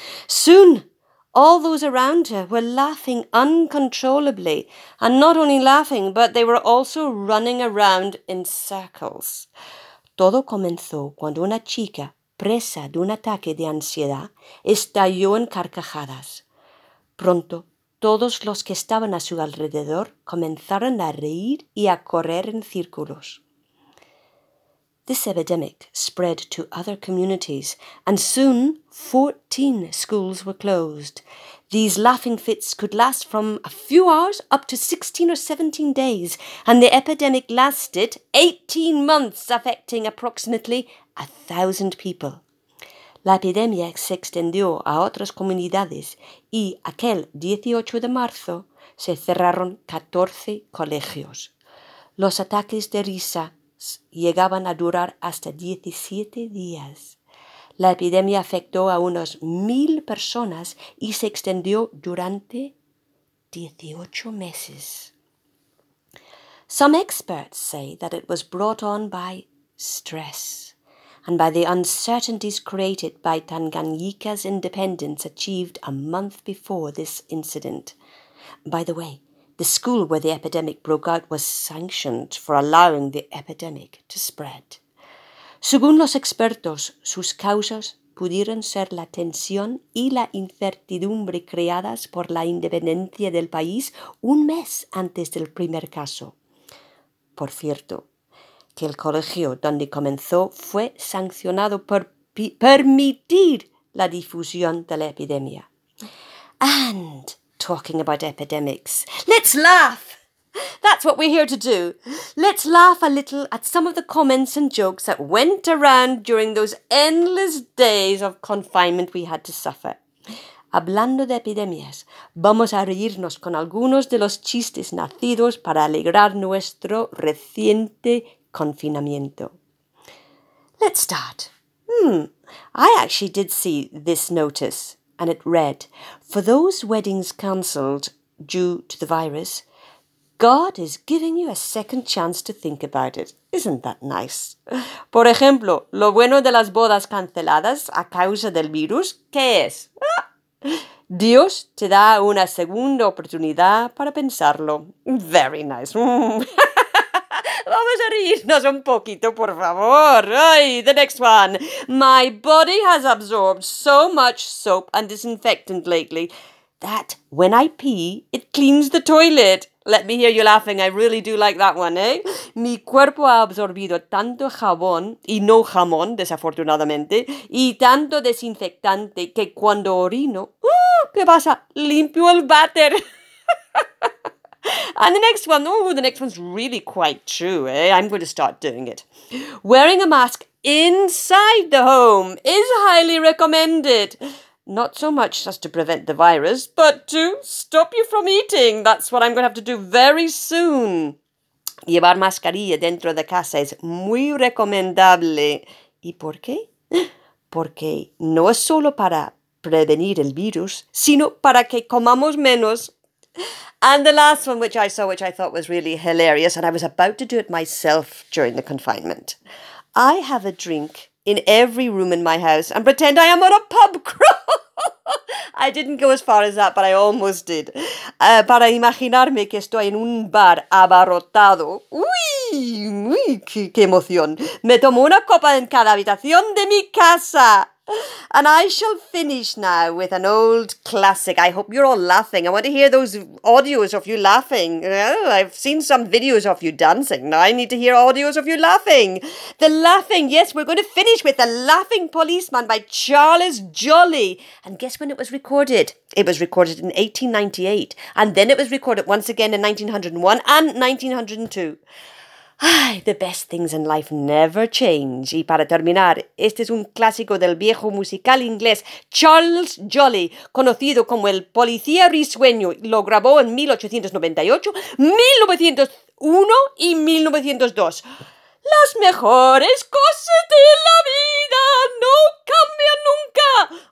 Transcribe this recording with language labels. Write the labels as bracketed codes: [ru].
[en] Soon, all those around her were laughing uncontrollably, and not only laughing, but they were also running around in circles. [es] Todo comenzó cuando una chica, presa de un ataque de ansiedad, estalló en carcajadas. Pronto, todos los que estaban a su alrededor comenzaron a reír y a correr en círculos. [en] This epidemic spread to other communities, and soon 14 schools were closed. These laughing fits could last from a few hours up to 16 or 17 days, and the epidemic lasted 18 months, affecting approximately 1,000 people. [es] La epidemia se extendió a otras comunidades y aquel 18 de marzo se cerraron 14 colegios. Los ataques de risa llegaban a durar hasta 17 días. La epidemia afectó a unas 1,000 personas y se extendió durante 18 meses. [en] Some experts say that it was brought on by stress and by the uncertainties created by Tanganyika's independence achieved a month before this incident. By the way, the school where the epidemic broke out was sanctioned for allowing the epidemic to spread. [es] Según los expertos, sus causas pudieron ser la tensión y la incertidumbre creadas por la independencia del país un mes antes del primer caso. Por cierto, que el colegio donde comenzó fue sancionado por permitir la difusión de la epidemia. [en] And talking about epidemics, let's laugh! That's what we're here to do. Let's laugh a little at some of the comments and jokes that went around during those endless days of confinement we had to suffer. [es] Hablando de epidemias, vamos a reírnos con algunos de los chistes nacidos para alegrar nuestro reciente confinamiento. [en] Let's start. I actually did see this notice, and it read, "For those weddings cancelled due to the virus, God is giving you a second chance to think about it." Isn't that nice? [es] Por ejemplo, lo bueno de las bodas canceladas a causa del virus, ¿qué es? Dios te da una segunda oportunidad para pensarlo. [en] Very nice. [es] Vamos a reírnos un poquito, por favor. [en] Ay, the next one. My body has absorbed so much soap and disinfectant lately that when I pee, it cleans the toilet. Let me hear you laughing. I really do like that one, eh? [es] Mi cuerpo ha absorbido tanto jabón, y no jamón, desafortunadamente, y tanto desinfectante que cuando orino, ¿qué pasa? Limpio el váter. [en] And the next one, the next one's really quite true, eh? I'm going to start doing it. Wearing a mask inside the home is highly recommended. Not so much just to prevent the virus, but to stop you from eating. That's what I'm going to have to do very soon. [es] Llevar mascarilla dentro de casa es muy recomendable. ¿Y por qué? Porque no es solo para prevenir el virus, sino para que comamos menos. [en] And the last one which I saw, which I thought was really hilarious, and I was about to do it myself during the confinement. I have a drink in every room in my house and pretend I am on a pub crawl. I didn't go as far as that, but I almost did. [es] Para imaginarme que estoy en un bar abarrotado. ¡Uy! ¡Qué emoción! Me tomo una copa en cada habitación de mi casa. [en] And I shall finish now with an old classic. I hope you're all laughing. I want to hear those audios of you laughing. Well, I've seen some videos of you dancing. Now I need to hear audios of you laughing. The laughing. Yes, we're going to finish with The Laughing Policeman by Charles Jolly. And guess when it was recorded? It was recorded in 1898. And then it was recorded once again in 1901 and 1902. Ay, the best things in life never change. [es] Y para terminar, este es un clásico del viejo musical inglés Charles Jolly, conocido como el policía risueño. Lo grabó en 1898, 1901 y 1902. Las mejores cosas de la vida no cambian nunca.